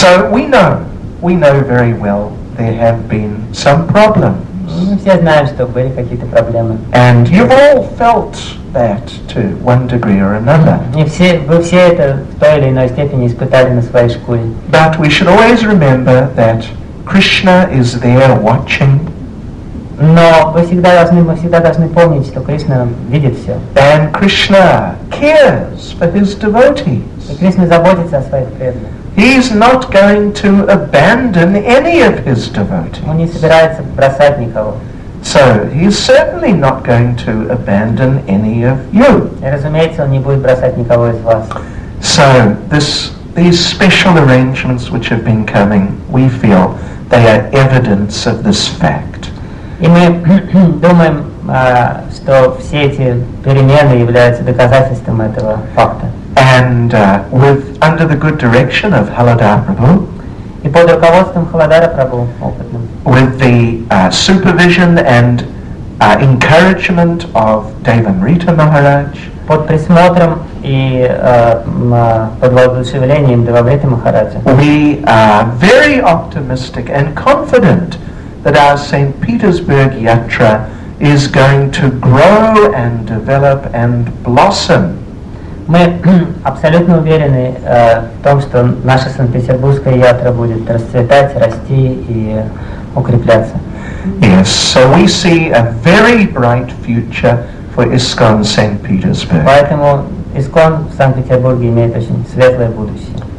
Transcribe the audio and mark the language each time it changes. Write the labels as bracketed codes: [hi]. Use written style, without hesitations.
[en] So we know very well there have been some problems. [ru] Мы все знаем, что были какие-то проблемы. [en] And you've all felt that to one degree or another. [ru] Вы все это в той или иной степени испытали на своей шкуре. [en] But we should always remember that Krishna is there watching. [ru] Но мы всегда должны помнить, что Кришна видит все. [en] And Krishna cares for his devotees. [ru] И Кришна заботится о своих преданных. [en] He's not going to abandon any of his devotees. [ru] Он не собирается бросать никого. [en] So he's certainly not going to abandon any of you. [ru] И разумеется, он не будет бросать никого из вас. [en] So these special arrangements which have been coming, we feel they are evidence of this fact. [ru] И мы думаем, что все эти перемены являются доказательством этого факта. [en] And under the good direction of Haladhar Prabhu, [ru] и под руководством Халадара Прабху опытным, [en] with the supervision and encouragement of Devamrita Maharaj, [ru] под присмотром и под воодушевлением Девамриты Махараджа, [en] we are very optimistic and confident that our St. Petersburg Yatra is going to grow and develop and blossom. [ru] Мы абсолютно уверены в том, что наша Санкт-Петербургская ятра будет расцветать, расти и укрепляться. [en] Yes, so we see a very bright future for ISKCON St. Petersburg. [ru] Поэтому ISKCON в Санкт-Петербурге имеет очень светлое будущее.